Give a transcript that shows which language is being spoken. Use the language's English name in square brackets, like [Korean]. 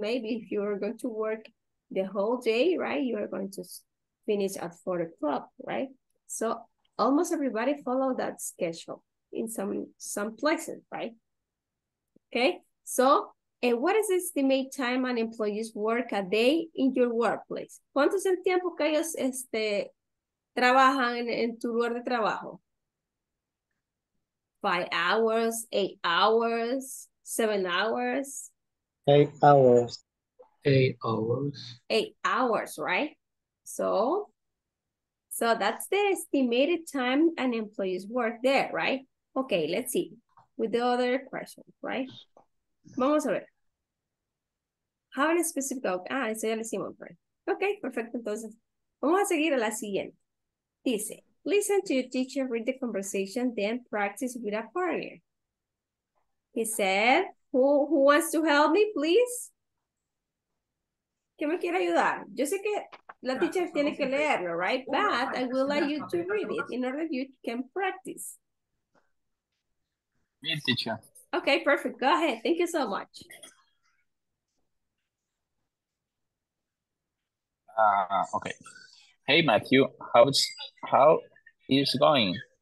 [English] Maybe if you are going to work the whole day, right? You are going to finish at 4 o'clock, right? So almost everybody follow that schedule in some places, right? Okay, so and what is the estimated time an employees work a day in your workplace? [Spanish] ¿Cuánto es el tiempo que ellos trabajan en tu lugar de trabajo? [English] 5 hours, 8 hours, 7 hours. 8 hours. 8 hours. 8 hours, right? So that's the estimated time an employee's work there, right? Okay, let's see. With the other question, right? [Spanish] Vamos a ver. [English] How in a specific, [Spanish] eso ya lo hicimos, right? Okay, perfecto, entonces. Vamos a seguir a la siguiente. Dice, [English] Listen to your teacher read the conversation, then practice with a partner. He said, who wants to help me, please? [Spanish] ¿Qué me quiere ayudar? Yo sé que la teacher tiene que leerlo, right? [English] But I will like you to read it in order you can practice. Me, teacher. Okay, perfect. Go ahead. Thank you so much. Okay. Hey, Matthew, how is going?